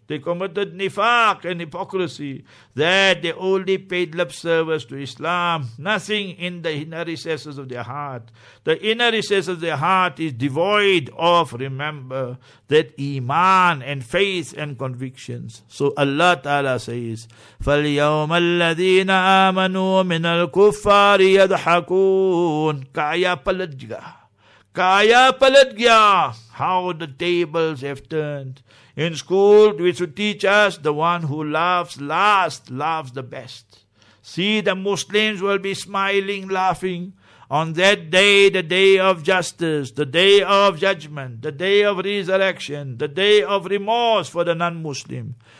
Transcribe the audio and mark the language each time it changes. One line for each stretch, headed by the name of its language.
English: They committed nifaq and hypocrisy. That they only paid lip service to Islam, nothing in the inner recesses of their heart. The inner recesses of their heart is devoid of, remember, that iman and faith and convictions. So Allah Ta'ala says,
Arabic: فَالْيَوْمَ الَّذِينَ آمَنُوا مِنَ الْكُفَّارِ يَضْحَكُونَ.
Urdu: Kaya palat gaya. Kaya palat gaya.
English: How the tables have turned. In school, we should teach us the one who laughs last, laughs the best. See, the Muslims will be smiling, laughing. On that day, the day of justice, the day of judgment, the day of resurrection, the day of remorse for the non-Muslim.